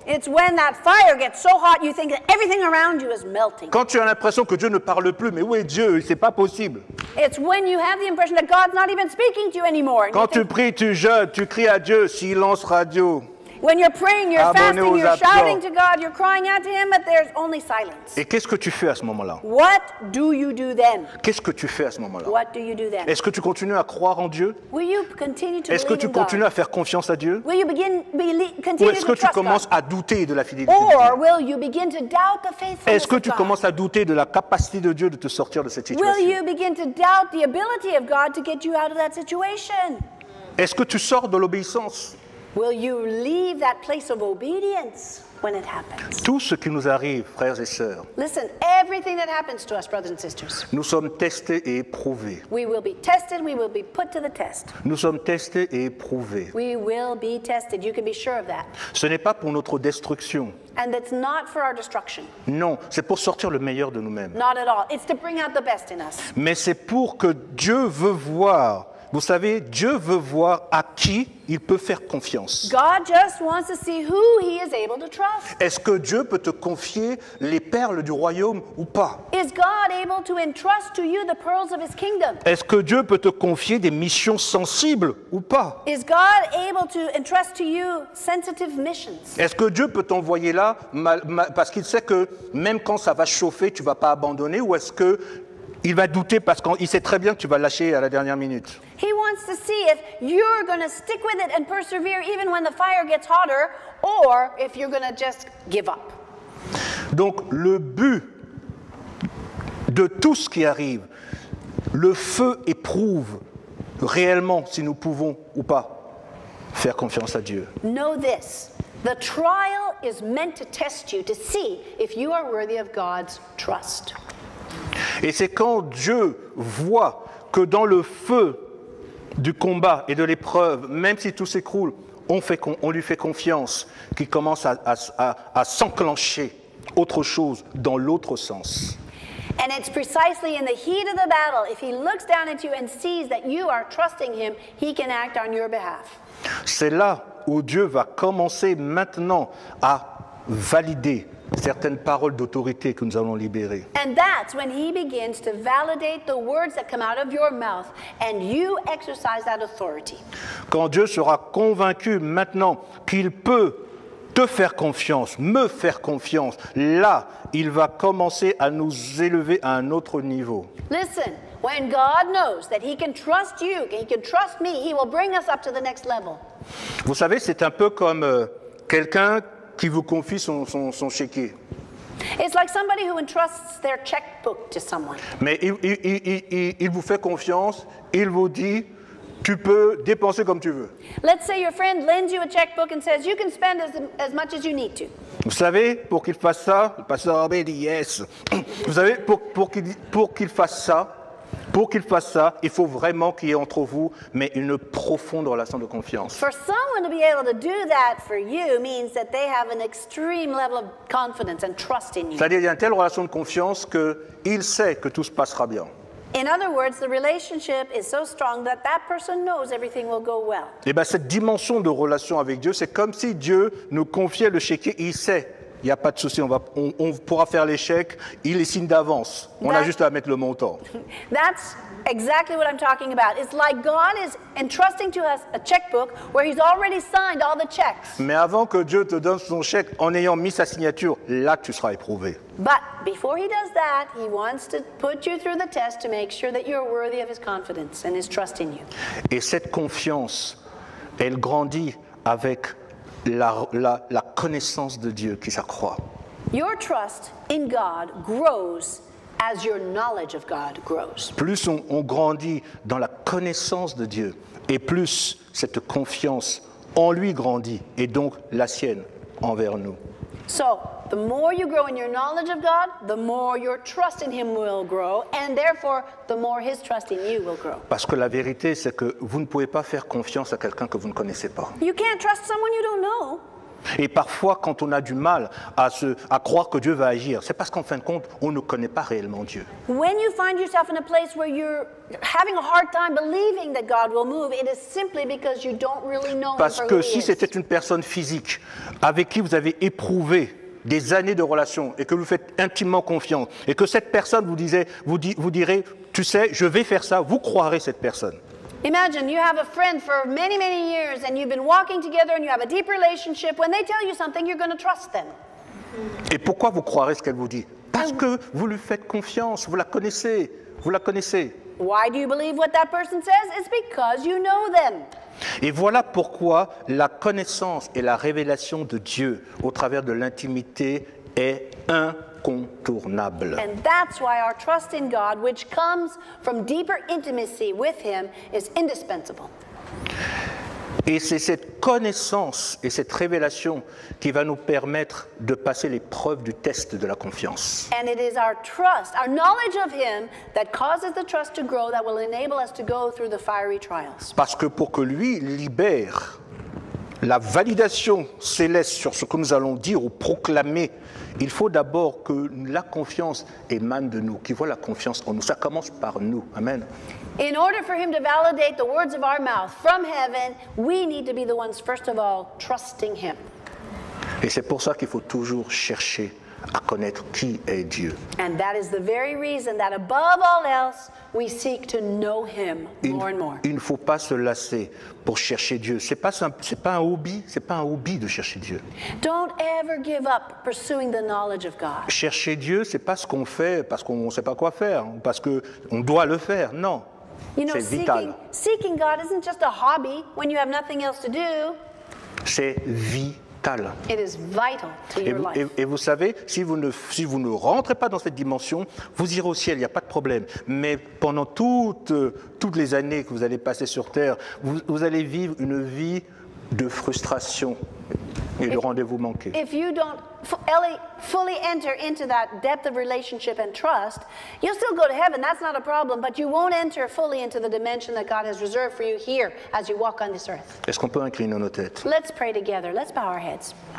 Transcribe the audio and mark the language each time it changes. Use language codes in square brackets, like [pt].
[en] It's when that fire gets so hot you think that everything around you is melting. [fr] Quand tu as l'impression que Dieu ne parle plus, mais où est Dieu? C'est pas possible. [en] It's when you have the impression that God's not even speaking to you anymore. [fr] Quand tu pries, tu jeûnes, tu cries à Dieu, silence radio. [en] When you're praying, you're fasting, you're shouting to God, you're crying out to him, but there's only silence. [fr] Et qu'est-ce que tu fais à ce moment-là? [en] What do you do then? [fr] Qu'est-ce que tu fais à ce moment-là? [en] What do you do then? [fr] Est-ce que tu continues à croire en Dieu? [en] Will you continue to [fr] Est-ce que tu continues à faire confiance à Dieu? [en] Will you begin [fr] Ou est-ce que tu commences à douter de la fidélité? [en] Or will you begin to doubt the faithfulness? [fr] Est-ce que tu commences à douter de la capacité de Dieu de te sortir de cette situation? [en] Will you begin to doubt the ability of God to get you out of that situation? [fr] Est-ce que tu sors de l'obéissance? [en] Will you leave that place of obedience when it happens? [fr] Tout ce qui nous arrive, frères et sœurs. [en] Listen, everything that happens to us, brothers and sisters. [fr] Nous sommes testés et éprouvés. [en] We will be tested, we will be put to the test. [fr] Nous sommes testés et éprouvés. [en] We will be tested, you can be sure of that. [fr] Ce n'est pas pour notre destruction. [en] And it's not for our destruction. [fr] Non, c'est pour sortir le meilleur de nous-mêmes. [en] Not at all. It's to bring out the best in us. [fr] Mais c'est pour que Dieu veut voir. Vous savez, Dieu veut voir à qui il peut faire confiance. [en] God just wants to see who he is able to trust. [fr] Est-ce que Dieu peut te confier les perles du royaume ou pas? [en] Is God able to entrust to you the pearls of his kingdom? [fr] Est-ce que Dieu peut te confier des missions sensibles ou pas? [en] Is God able to entrust to you sensitive missions? [fr] Est-ce que Dieu peut t'envoyer là parce qu'il sait que même quand ça va chauffer, tu vas pas abandonner, ou est-ce que il va douter parce qu'il sait très bien que tu vas lâcher à la dernière minute. [en] He wants to see if you're going to stick with it and persevere even when the fire gets hotter, or if you're going to just give up. [fr] Donc le but de tout ce qui arrive, le feu éprouve réellement si nous pouvons ou pas faire confiance à Dieu. [en] Know this. The trial is meant to test you to see if you are worthy of God's trust. [fr] Et c'est quand Dieu voit que dans le feu du combat et de l'épreuve, même si tout s'écroule, on lui fait confiance, qu'il commence à s'enclencher autre chose dans l'autre sens. [en] And it's precisely in the heat of the battle, if he looks down at you and sees that you are trusting him, he can act on your behalf. [fr] C'est là où Dieu va commencer maintenant à valider certaines paroles d'autorité que nous allons libérer. [en] And that's when he begins to validate the words that come out of your mouth and you exercise that authority. [fr] Quand Dieu sera convaincu maintenant qu'il peut te faire confiance, me faire confiance, là, il va commencer à nous élever à un autre niveau. [en] Listen, when God knows that he can trust you, he can trust me, he will bring us up to the next level. [fr] Vous savez, c'est un peu comme quelqu'un qui vous confie son chéquier. [en] It's like somebody who entrusts their checkbook to someone. [fr] Mais il vous fait confiance, il vous dit, tu peux dépenser comme tu veux. [en] Let's say your friend lends you a checkbook and says you can spend as much as you need to. [fr] Vous savez, pour qu'il fasse ça, le pasteur Abbé dit yes. Vous savez, pour qu'il fasse ça, il faut vraiment qu'il y ait entre vous mais une profonde relation de confiance. [en] For someone to be able to do that for you means that they have an extreme level of confidence and trust in you. [fr] C'est-à-dire, il y a une telle relation de confiance que il sait que tout se passera bien. [en] In other words, the relationship is so strong that that person knows everything will go well. [fr] Et bien, cette dimension de relation avec Dieu, c'est comme si Dieu nous confiait le chéquier, il sait. Il n'y a pas de souci, on pourra faire l'échec, il les signe d'avance. On a juste à mettre le montant. [en] That's exactly what I'm talking about. It's like God is entrusting to us a checkbook where he's already signed all the checks. [fr] Mais avant que Dieu te donne son chèque, en ayant mis sa signature, là tu seras éprouvé. [en] But before he does that, he wants to put you through the test to make sure that you're worthy of his confidence and his trust in you. [fr] Et cette confiance, elle grandit avec la connaissance de Dieu qui s'accroît. [en] Your trust in God grows as your knowledge of God grows. [fr] Plus on grandit dans la connaissance de Dieu, et plus cette confiance en lui grandit, et donc la sienne envers nous. [en] So, the more you grow in your knowledge of God, the more your trust in him will grow, and therefore, the more his trust in you will grow. [fr] Parce que la vérité, c'est que vous ne pouvez pas faire confiance à quelqu'un que vous ne connaissez pas. [en] You can't trust someone you don't know. [fr] Et parfois, quand on a du mal à croire que Dieu va agir, c'est parce qu'en fin de compte, on ne connaît pas réellement Dieu. [en] When you find yourself in a place where you're having a hard time believing that God will move, it is simply because you don't really know him for who he is. [fr] Parce que si c'était une personne physique avec qui vous avez éprouvé des années de relation et que vous faites intimement confiance et que cette personne vous dirait, tu sais, je vais faire ça, vous croirez cette personne. [en] Imagine you have a friend for many, many years and you've been walking together and you have a deep relationship. When they tell you something, you're going to trust them. [fr] Et pourquoi vous croirez ce qu'elle vous dit? Parce que vous lui faites confiance, vous la connaissez. [en] Why do you believe what that person says? It's because you know them. [fr] Et voilà pourquoi la connaissance et la révélation de Dieu au travers de l'intimité est incontournable. [en] And that's why our trust in God, which comes from deeper intimacy with him, is indispensable. [fr] Et c'est cette connaissance et cette révélation qui va nous permettre de passer l'épreuve du test de la confiance. [en] And it is our trust, our knowledge of him, that causes the trust to grow, that will enable us to go through the fiery trials. [fr] Parce que pour que lui libère la validation céleste sur ce que nous allons dire ou proclamer, il faut d'abord que la confiance émane de nous, qu'il voit la confiance en nous. Ça commence par nous. [en] Amen. In order for him to validate the words of our mouth from heaven, we need to be the ones, first of all, trusting him. [fr] Et c'est pour ça qu'il faut toujours chercher à connaître qui est Dieu. [en] And that is the very reason that above all else, we seek to know him more and more. [fr] Il ne faut pas se lasser pour chercher Dieu. C'est pas un hobby de chercher Dieu. [en] Don't ever give up pursuing the knowledge of God. [fr] Chercher Dieu, c'est pas ce qu'on fait parce qu'on ne sait pas quoi faire, parce que on doit le faire. Non. [en] You know, [fr] c'est vital. [en] Seeking God isn't just a hobby when you have nothing else to do. [fr] C'est vital. [en] It is vital to your life. [fr] Et vous savez, si vous ne rentrez pas dans cette dimension, vous irez au ciel, il n'y a pas de problème. Mais pendant toutes les années que vous allez passer sur Terre, vous allez vivre une vie de frustration. Et le rendez-vous manqué. [en] If you don't fully enter into that depth of relationship and trust, you'll still go to heaven, that's not a problem, but you won't enter fully into the dimension that God has reserved for you here as you walk on this earth. [fr] Est-ce qu'on peut incliner nos têtes? [en] Let's pray together. Let's bow our heads.